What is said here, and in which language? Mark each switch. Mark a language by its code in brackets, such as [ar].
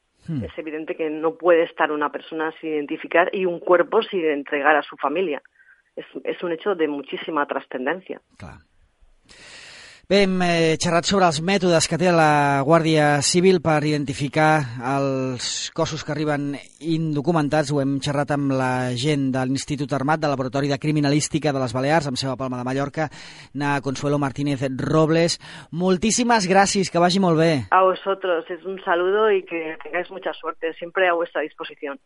[es] Es evidente que no puede estar una persona sin identificar y un cuerpo sin entregar a su familia. Es un hecho de muchísima trascendencia. Claro. [ca] Bé, hem xerrat sobre els mètodes que té la Guàrdia Civil per identificar els cossos que arriben indocumentats. Ho hem xerrat amb la gent de l'Institut Armat del Laboratori de Criminalística de les Balears, amb seu a Palma de Mallorca, na Consuelo Martínez Robles. Moltíssimes gràcies, que vagi molt bé. [es] A vosotros, es un saludo y que tengáis mucha suerte, siempre a vuestra disposición.